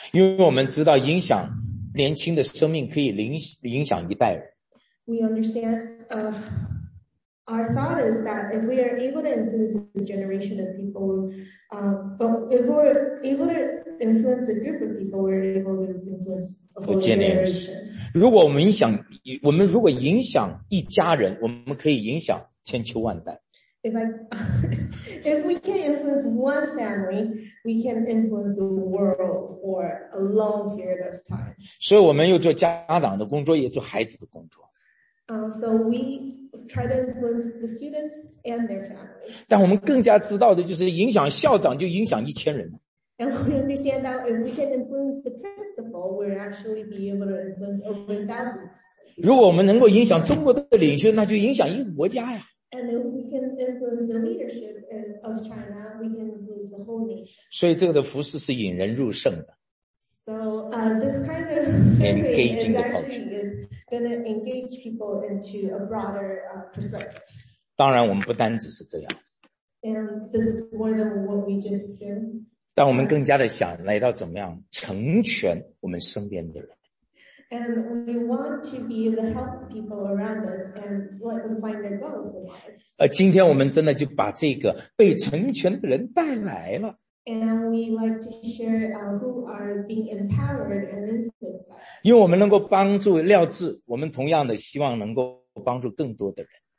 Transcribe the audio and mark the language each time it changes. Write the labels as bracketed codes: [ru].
[zh] 因为我们知道影响年轻的生命可以影响一代人。 [en] We understand, our thought is that if we are able to influence a generation of people, but if we're able to influence a group of people, we're able to influence a whole generation. [zh] 如果我们想，我们如果影响一家人，我们可以影响千秋万代。 [en] If we can influence one family, we can influence the world for a long period of time. [zh] 所以我们又做家长的工作，也做孩子的工作。 [en] So we try to influence the students and their family. [zh] 但我们更加知道的就是，影响校长就影响一千人。 [en] And we understand that if we can influence the principal, we'll actually be able to influence over thousands. [zh] 如果我们能够影响中国的领袖，那就影响一个国家呀。 [en] And if we can influence the leadership of China, we can influence the whole nation. [zh] 所以这个的服饰是引人入胜的。 [en] So, this kind of survey is actually going to engage people into a broader perspective. [zh] 当然我们不单只是这样。 [en] And this is more than what we just did. [zh] 但我们更加的想来到怎么样成全我们身边的人。 [en] And we want to be able to help people around us and let them find their goals in life. [zh] 今天我们真的就把这个被成全的人带来了。 [en] And we like to share who are being empowered and influenced by us. [zh] 因为我们能够帮助廖智，我们同样的希望能够帮助更多的人。